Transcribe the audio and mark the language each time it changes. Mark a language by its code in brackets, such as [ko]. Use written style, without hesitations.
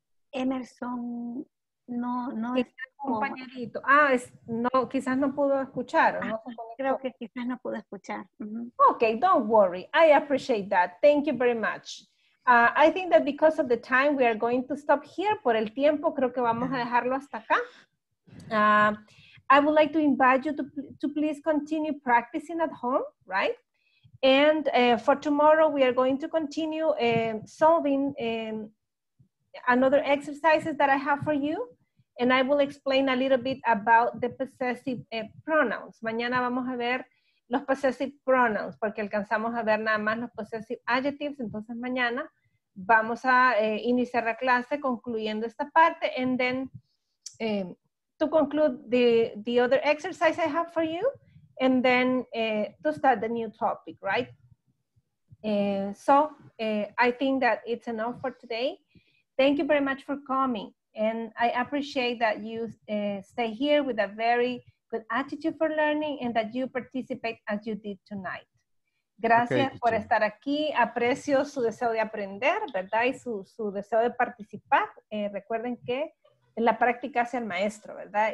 [es] Emerson, no estaba. Compañerito, no, quizás no pudo escuchar. ¿O no? Creo que quizás no pudo escuchar. Uh-huh. [en] Okay, don't worry, I appreciate that, thank you very much. I think that because of the time, we are going to stop here. [es] Por el tiempo, creo que vamos a dejarlo hasta acá. [en] I would like to invite you to please continue practicing at home, right? And for tomorrow, we are going to continue solving another exercises that I have for you. And I will explain a little bit about the possessive pronouns. [es] Mañana vamos a ver los possessive pronouns, porque alcanzamos a ver nada más los possessive adjectives. Entonces mañana vamos a iniciar la clase concluyendo esta parte. [en] And then to conclude the other exercise I have for you. And then to start the new topic, right? I think that it's enough for today. Thank you very much for coming. And I appreciate that you stay here with a very good attitude for learning and that you participate as you did tonight. [es] Gracias okay, por estar aquí. Aprecio su deseo de aprender, ¿verdad? Y su deseo de participar. Recuerden que en la práctica hace el maestro, ¿verdad?